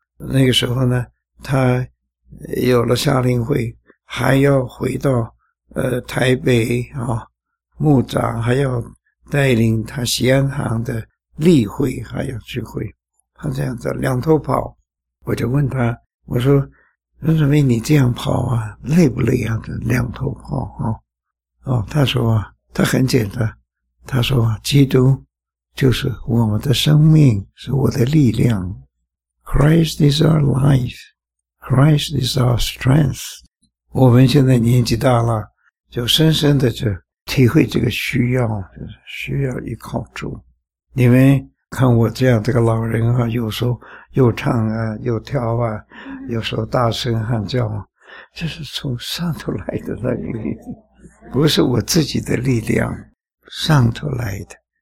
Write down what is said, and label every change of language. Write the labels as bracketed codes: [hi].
[zh] 那个时候呢，他有了夏令会，还要回到台北啊，牧长还要带领他西安堂的例会还要聚会，他这样子两头跑。我就问他，我说任什么你这样跑啊，累不累啊，这两头跑啊。哦，他说啊，他很简单，他说啊，基督就是我们的生命，是我的力量。 [en] Christ is our life, Christ is our strength。 [zh] 我们现在年纪大了，就深深的就体会这个需要，就是需要依靠主。你们看我这样这个老人啊，有时候又唱啊又跳啊，有时候大声喊叫啊，这是从上头来的能力，不是我自己的力量，上头来的。